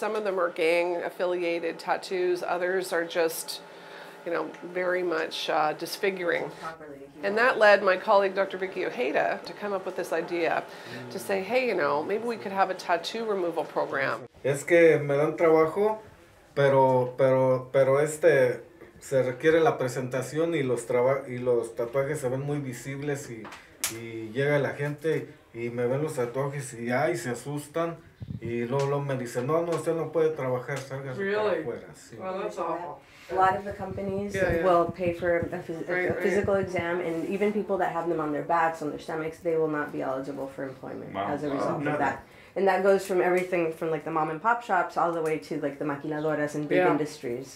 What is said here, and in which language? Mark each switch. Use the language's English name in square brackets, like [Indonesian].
[English] Some of them are gang-affiliated tattoos. Others are just, you know, very much disfiguring. And that led my colleague, Dr. Vicky Ojeda, to come up with this idea to say, hey, you know, maybe we could have a tattoo removal program. [Spanish] Es que me dan trabajo, pero este... Se requiere la presentación y los tatuajes se ven muy visibles y llega la gente y me ven los tatuajes y ay, se asustan y luego me dicen, no, usted no puede trabajar, salga [English] really? [Spanish] Para afuera. Sí. [English] Well, that's awful. A lot of the companies will pay for a physical exam, and even people that have them on their backs, on their stomachs, they will not be eligible for employment as a result of that. And that goes from everything from like the mom and pop shops all the way to like the maquiladoras and big industries.